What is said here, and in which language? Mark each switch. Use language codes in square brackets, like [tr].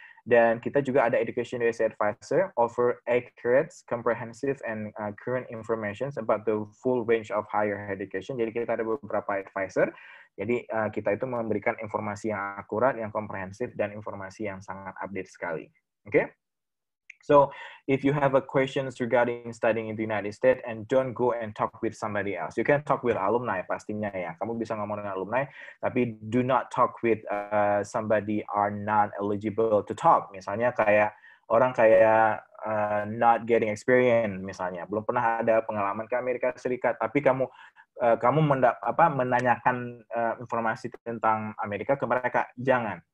[id] Dan kita juga ada [en] Education USA Advisor, offer accurate, comprehensive, and current information about the full range of higher education. [id] Jadi kita ada beberapa advisor, jadi kita itu memberikan informasi yang akurat, yang komprehensif, dan informasi yang sangat update sekali. Oke? Okay? [en] So, if you have a questions regarding studying in the United States, and don't go and talk with somebody else. You can talk with alumni, [id] pastinya ya. Kamu bisa ngomong dengan alumni, tapi [en] do not talk with somebody are not eligible to talk. [id] Misalnya kayak orang kayak [en] not getting experience, [id] misalnya belum pernah ada pengalaman ke Amerika Serikat, tapi menanyakan informasi tentang Amerika ke mereka, jangan.